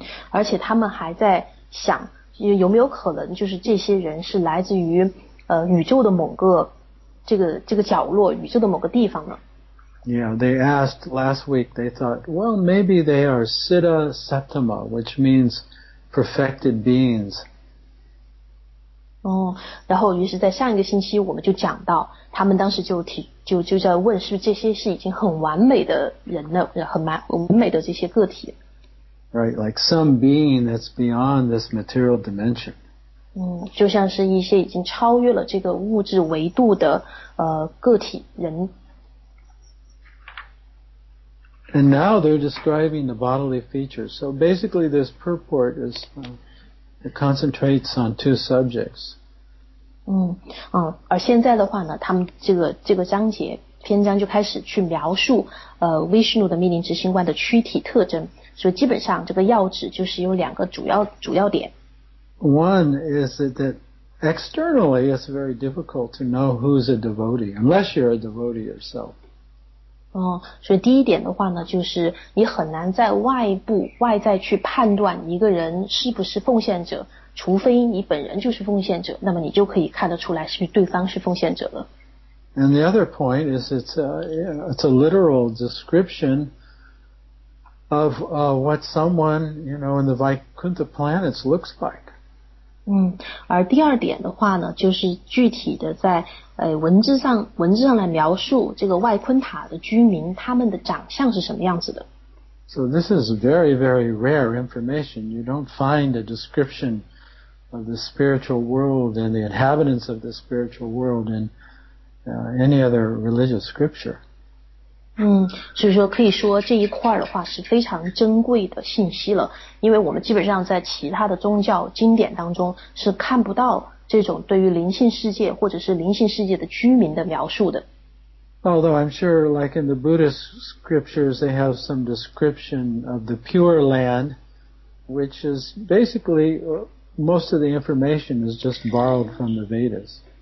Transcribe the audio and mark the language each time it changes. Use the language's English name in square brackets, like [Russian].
[Chinese] 而且他们还在想，有没有可能就是这些人是来自于宇宙的某个这个角落，宇宙的某个地方呢？ [English] Yeah, they asked last week, they thought, well, maybe they are Siddha Septima, which means perfected beings. [Chinese] 然后于是在上一个星期我们就讲到，他们当时就在问，是不是这些是已经很完美的人了，很完美的这些个体。 [English] Right, like some being that's beyond this material dimension. [Chinese] 就像是一些已经超越了这个物质维度的个体人。 [English] And now they're describing the bodily features. So basically this purport concentrates on two subjects. [Chinese] 而现在的话呢，他们这个章节篇章就开始去描述威士努的命令执行官的躯体特征，所以基本上这个要旨就是有两个主要点。 [English] One is that externally it's very difficult to know who's a devotee unless you're a devotee yourself. [Chinese] 所以第一点的话呢，就是你很难在外在去判断一个人是不是奉献者，除非你本人就是奉献者，那么你就可以看得出来是不是对方是奉献者了。 [English] And the other point is it's a literal description of what someone, you know, in the Vaikuntha planets looks like. [Chinese] 而第二点的话呢，就是具体的在文字上来描述这个外昆塔的居民他们的长相是什么样子的。 [English] So this is very, very rare information. You don't find a description of the spiritual world and the inhabitants of the spiritual world inany other religious scripture. [Chinese] 所以说可以说这一块的话是非常珍贵的信息了，因为我们基本上在其他的宗教经典当中是看不到这种对于灵性世界或者是灵性世界的居民的描述的。 [English] Although I'm sure like in the Buddhist scriptures they have some description of the pure land, which is basically most of the information is just borrowed from the Vedas.